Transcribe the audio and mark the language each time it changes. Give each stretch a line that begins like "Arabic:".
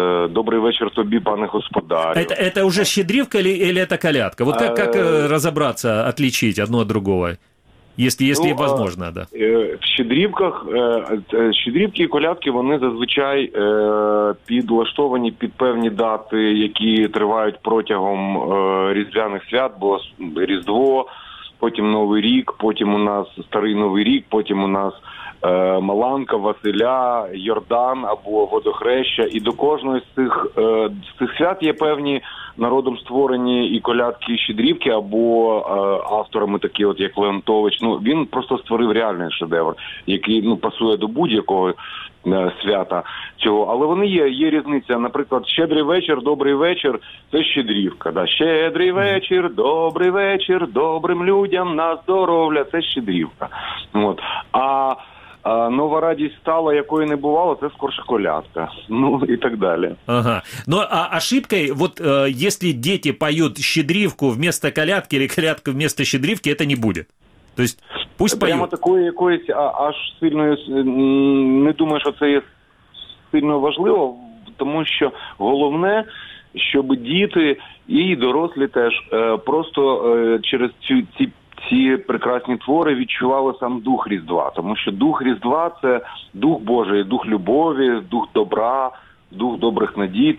Ukrainian: Добрий вечір тобі, пане господарю.
Russian: Это уже щедрівка или это колядка? Вот как разобраться, отличить одно от другого? Если возможно, да.
Ukrainian: В щедрівках, щедрівки і колядки, вони зазвичай підлаштовані під певні дати, які тривають протягом різдвяних свят, було Різдво, потім Новий рік, потім у нас Старий Новий рік, потім у нас Маланка, Василя, Йордан або Водохреща. І до кожної з цих свят є певні народом створені і колядки, і щедрівки, або авторами такі, от як Леонтович. Ну, він просто створив реальний шедевр, який пасує до будь-якого свята цього. Але вони є різниця. Наприклад, щедрий вечір, добрий вечір – це щедрівка. Да? Щедрий вечір, добрим людям на здоров'я – це щедрівка. От. А нова радість стала, якої не бувало, це скорше колядка. Ну, і так далі. Ага.
Russian: Ну, а ошибкой, вот, если дети поют щедрівку вместо колядки или колядку вместо щедрівки, это не будет. То есть, пусть прямо поют.
Ukrainian: Такої якоїсь, аж сильної, не думаю, що це є сильно важливо, тому що головне, щоб діти і дорослі теж просто через ці прекрасні твори відчували сам дух Різдва, тому що дух Різдва – це дух Божий, дух любові, дух добра, дух добрих надій.